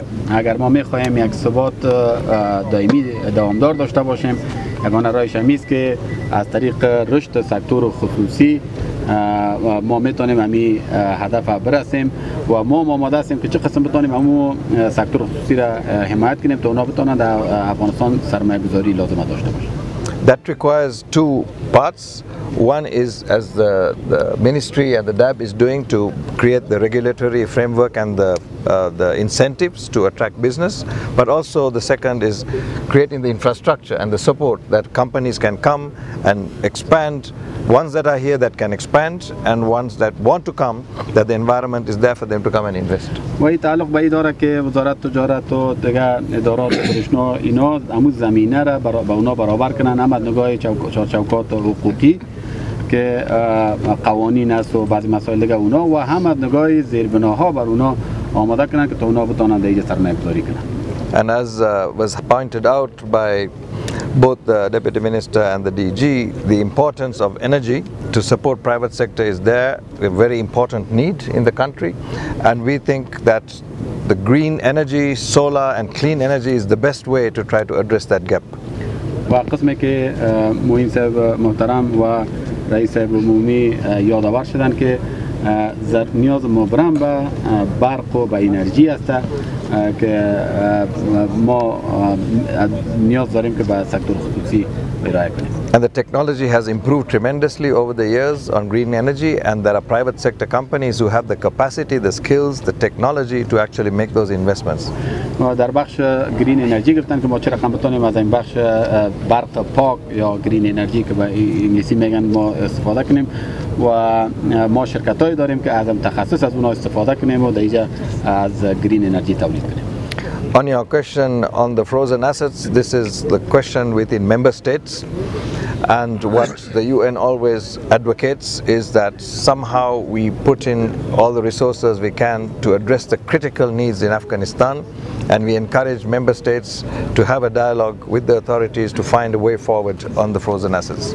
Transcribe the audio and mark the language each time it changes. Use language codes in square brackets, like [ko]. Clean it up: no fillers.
[fa] اگر ما میخواهیم یک ثبات دائمی دوامدار داشته باشیم یگانه راهش همین است که از طریق رشد سکتور خصوصی ما میتونیم همی هدف برسیم و ما آماده هستیم که چه قسم بتونیم همو سکتور خصوصی را حمایت کنیم تا اونا بتونن در افغانستان سرمایه گذاری لازم داشته باشیم. [en] That requires two parts. One is as the ministry and the DAB is doing to create the regulatory framework and the incentives to attract business, but also the second is creating the infrastructure and the support that companies can come and expand, ones that are here that can expand and ones that want to come, that the environment is there for them to come and invest. [fa] وی تعلق به اداره که وزارت تجارت و دیگر ادارات برشنا اینا امو زمینه را به اونا برابر کنن هم از نگاه چارچوکات حقوقی که قوانین است و بعضی مسائل دیگر اونا و هم از نگاه زیربناها بر اونا آماده کنن که تا اونا بتانن دیگه سرمایه گذاری کنن. [en] And as was pointed out by both the Deputy Minister and the DG, the importance of energy to support private sector is there, a very important need in the country. And we think that the green energy, solar and clean energy is the best way to try to address that gap. [fa] زر نیاز مبرم به برق و به انرژی است که ما نیاز داریم که به سکتور خصوصی ارائه کنیم. [en] And the technology has improved tremendously over the years on green energy and there are private sector companies who have the capacity, the skills, the technology to actually make those investments. [fa] ما در بخش گرین انرژی گفتن که ما چرا هم بتونیم از این بخش برق پاک یا گرین انرژی که به انگلیسی میگن ما استفاده کنیم و ما شرکت هایی داریم که از تخصص از اونها استفاده کنیم و در اینجا از گرین انرژی تولید کنیم. [en] On your question on the frozen assets, this is the question within member states. And what the UN always advocates is that somehow we put in all the resources we can to address the critical needs in Afghanistan. And we encourage member states to have a dialogue with the authorities to find a way forward on the frozen assets.